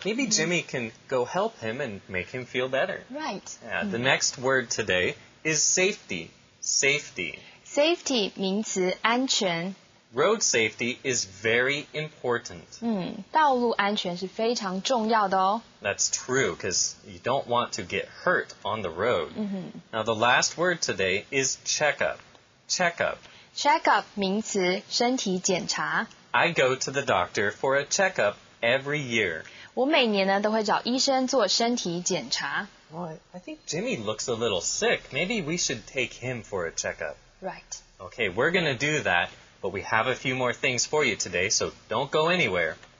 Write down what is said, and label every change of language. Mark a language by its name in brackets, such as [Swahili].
[English] Maybe Jimmy can go help him and make him feel better. Right. Yeah,、mm-hmm. The next word today is safety. Safety. [Chinese] Safety, 名词安全。 [English] Road safety is very important. [Chinese] 道路安全是非常重要的哦。 [English] That's true, because you don't want to get hurt on the road.、 Mm-hmm. Now the last word today is checkup. Checkup. [Chinese] Checkup, 名词身体检查。 [English] I go to the doctor for a checkup every year. [Chinese] 我每年呢都会找医生做身体检查。 [English] Well, I think Jimmy looks a little sick. Maybe we should take him for a checkup. Right. Okay, we're going to do that. But we have a few more things for you today, so don't go anywhere.